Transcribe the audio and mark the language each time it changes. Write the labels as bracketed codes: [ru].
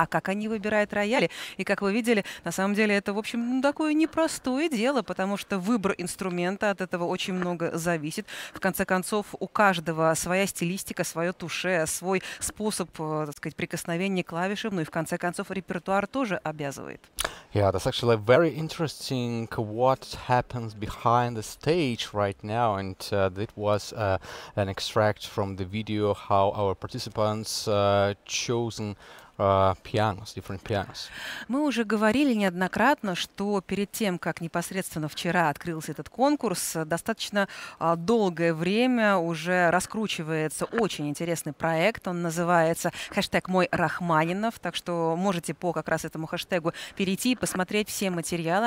[ru] А как они выбирают рояли? И, как вы видели, на самом деле это, в общем, такое непростое дело, потому что выбор инструмента от этого очень много зависит. В конце концов, у каждого своя стилистика, свое туше, свой способ, так сказать, прикосновения к клавишам, ну и в конце концов репертуар тоже обязывает. [en] Yeah, that's actually very interesting what happens behind the stage right now, and that was an extract from the video how our participants chosen pianos, different pianos. [ru] Мы уже говорили неоднократно, что перед тем, как непосредственно вчера открылся этот конкурс, достаточно долгое время уже раскручивается очень интересный проект. Он называется хэштег «Мой Рахманинов», так что можете по как раз этому хэштегу перейти и посмотреть все материалы.